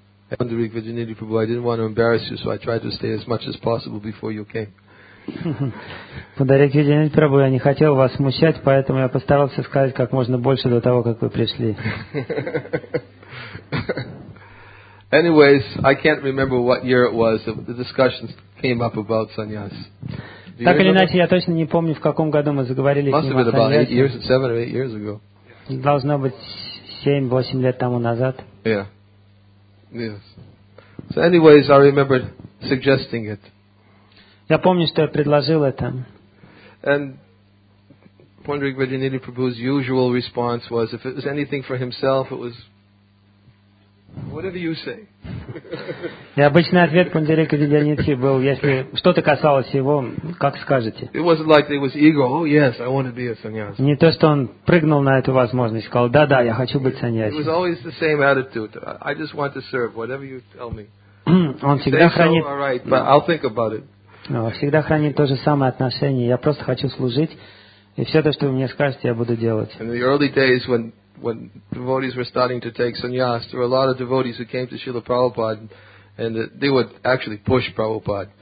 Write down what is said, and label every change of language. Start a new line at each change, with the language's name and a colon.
English: I didn't want to embarrass you, so I tried to stay as much as possible before you came.
Russian: Подарить Виджинит Прабху, я не хотел вас смущать, поэтому я постарался сказать как можно больше до того, как вы пришли.
English: Anyways, I can't remember what year it was. The discussions came up about sannyas.
Russian: Так или иначе, я точно не помню, в каком году мы заговорили с ним о
English: саньясе. Must have been about 8 years, 7 or 8 years ago.
Russian: Должно быть 7-8 лет тому назад.
English: Yeah. Yes. So anyways, I remember suggesting it.
Russian: Я помню, что я предложил это.
English: And Pundarika Vidyanidhi Prabhu's usual response was, if it was anything for himself, it was, whatever you say.
Russian: И обычный ответ Пундарика Видьянидхи был, если что-то касалось его, как скажете.
English: It wasn't like there was ego. Oh, yes, I want to be a sannyasi.
Russian: Не то, что он прыгнул на эту возможность, сказал, да-да, я хочу быть саньяси.
English: It was always the same attitude. I just want to serve, whatever you tell me.
Russian: Он всегда хранит...
English: So, all right, but I'll think about it.
Russian: Всегда хранит то же самое отношение. Я просто хочу служить, и все то, что вы мне скажете, я буду делать.
English: In the early days, when devotees were starting to take sannyas, there were a lot of devotees who came to Srila Prabhupada, and they would actually push Prabhupada.